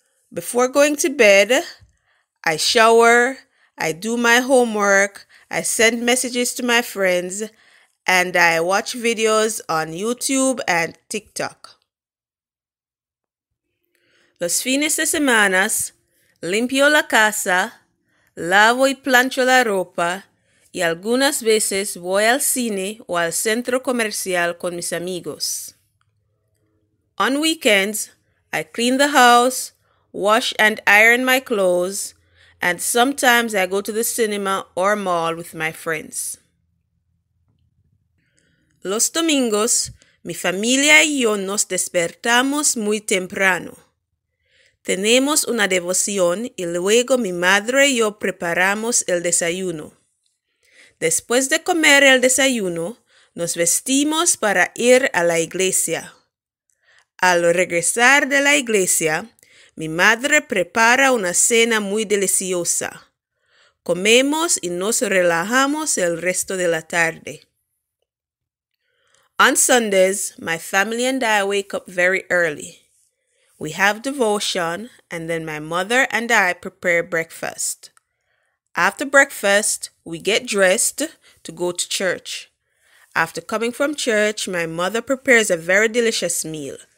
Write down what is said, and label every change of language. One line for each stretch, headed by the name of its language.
English: Before going to bed, I shower, I do my homework, I send messages to my friends, and I watch videos on YouTube and TikTok.
Spanish: Los fines de semana, limpio la casa, lavo y plancho la ropa, y algunas veces voy al cine o al centro comercial con mis amigos.
English: On weekends, I clean the house, wash and iron my clothes, and sometimes I go to the cinema or mall with my friends.
Spanish: Los domingos, mi familia y yo nos despertamos muy temprano. Tenemos una devoción y luego mi madre y yo preparamos el desayuno. Después de comer el desayuno, nos vestimos para ir a la iglesia. Al regresar de la iglesia, mi madre prepara una cena muy deliciosa. Comemos y nos relajamos el resto de la tarde.
English: On Sundays, my family and I wake up very early. We have devotion, and then my mother and I prepare breakfast. After breakfast, we get dressed to go to church. After coming from church, my mother prepares a very delicious meal.